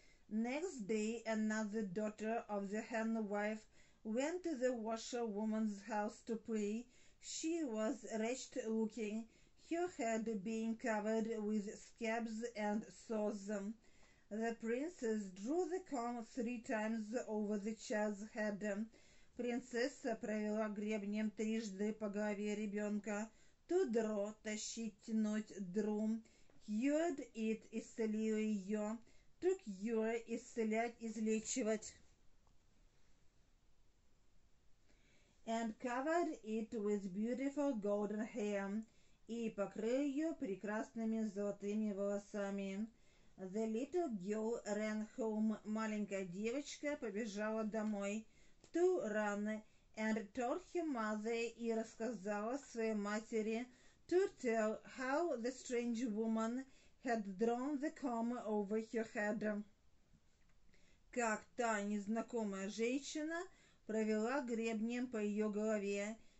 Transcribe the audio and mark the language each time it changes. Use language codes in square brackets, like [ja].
[en] Next day, another daughter of the hen wife went to the washerwoman's house to play. She was wretched looking, her head being covered with scabs and sores. The princess drew the comb three times over the child's head. [ru] Принцесса провела гребнем трижды по голове ребенка. [en] To draw, [ru] тащить, тянуть, [en] drew, cured it, [ru] исцелила ее. [en] To cure, [ru] исцелять, излечивать. [en] and covered it with beautiful golden hair, [ru] и покрыл ее прекрасными золотыми волосами. [en] The little girl ran home. [ru] Маленькая девочка побежала домой. [en] To run and told her mother, [ru] и рассказала своей матери. [en] To tell how the strange woman had drawn the comb over her head. [ru] Как та незнакомая женщина провела гребнем по ее голове.